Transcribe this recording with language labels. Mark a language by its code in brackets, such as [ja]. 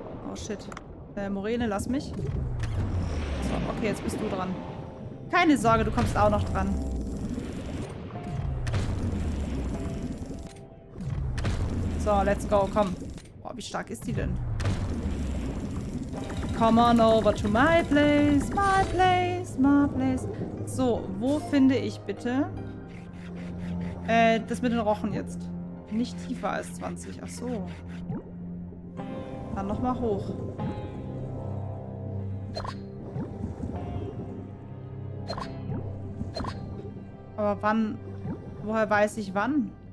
[en] Oh shit. [de] Morene, lass mich. So, okay, jetzt bist du dran. Keine Sorge, du kommst auch noch dran. [en] So, let's go, [de] komm. Boah, wie stark ist die denn? [en] Come on over to my place, my place, my place. [de] So, wo finde ich bitte... das mit den Rochen jetzt. Nicht tiefer als 20. Ach so. Dann nochmal hoch. Aber wann? Woher weiß ich wann?